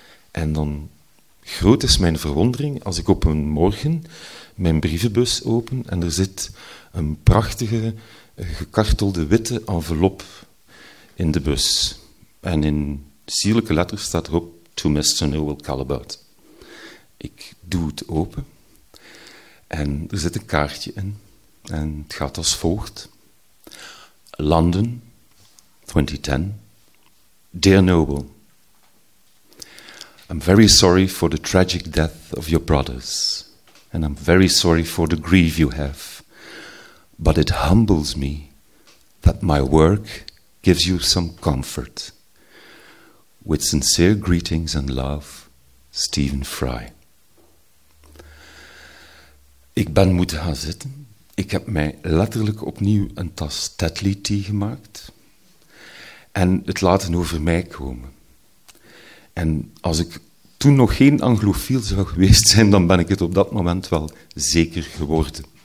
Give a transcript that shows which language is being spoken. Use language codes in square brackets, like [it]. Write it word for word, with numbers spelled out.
[nl] En dan groot is mijn verwondering als ik op een morgen mijn brievenbus open en er zit een prachtige gekartelde witte envelop in de bus. En in sierlijke letters staat erop, [en] to mister [nl] Noel Callebaut. Ik doe het open en er zit een kaartje in en het gaat als volgt. London, twintig tien. [en] Dear Noble, I'm very sorry for the tragic death of your brothers, and I'm very sorry for the grief you have, but it humbles me that my work gives you some comfort. With sincere greetings and love, Stephen Fry. [nl] Ik ben moeten gaan zitten. Ik heb mij letterlijk opnieuw een tas Tetley Tea gemaakt en het laten over mij komen. En als ik toen nog geen anglofiel zou geweest zijn, dan ben ik het op dat moment wel zeker geworden.